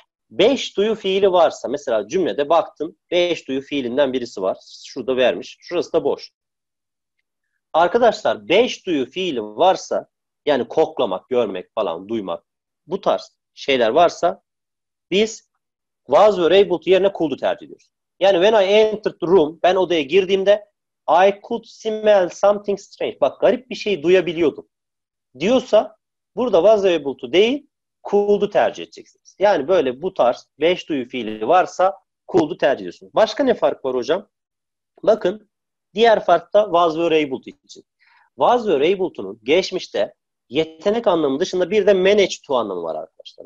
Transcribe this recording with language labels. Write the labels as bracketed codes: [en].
[tr] Beş duyu fiili varsa, mesela cümlede baktım, beş duyu fiilinden birisi var. Şurada vermiş, şurası da boş. Arkadaşlar beş duyu fiili varsa, yani koklamak, görmek falan, duymak, bu tarz şeyler varsa, biz was, were, able to yerine could'u tercih ediyoruz. [en] Yani when I entered the room, [tr] ben odaya girdiğimde [en] I could smell something strange. [tr] Bak garip bir şey duyabiliyordum. Diyorsa burada was able to değil, could'u tercih edeceksiniz. Yani böyle bu tarz 5 duyu fiili varsa could'u tercih ediyorsunuz. Başka ne fark var hocam? Bakın diğer fark da was were able to için. Was were able to'nun geçmişte yetenek anlamı dışında bir de manage to anlamı var arkadaşlar.